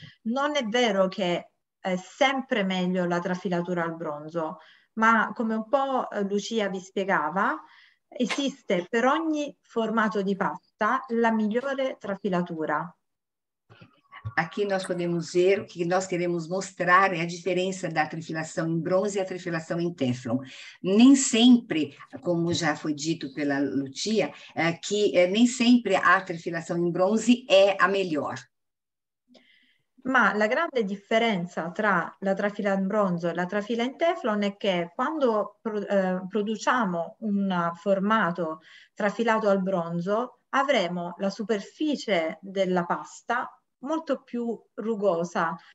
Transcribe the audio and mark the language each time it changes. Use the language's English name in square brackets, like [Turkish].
[Italian] Non è vero che è sempre meglio la trafilatura al bronzo, ma come un po' Lucia vi spiegava, esiste per ogni formato di pasta la migliore trafilatura. [Portuguese] Aqui nós podemos ver que nós queremos mostrar a diferença da trifilação em bronze e a trifilação em teflon. Nem sempre, como já foi dito pela Lucia, que nem sempre a trifilação em bronze é a melhor. [Italian] Ma la grande differenza tra la trafila in bronzo e la trafila in teflon è che quando produciamo un formato trafilato al bronzo avremo la superficie della pasta molto più rugosa.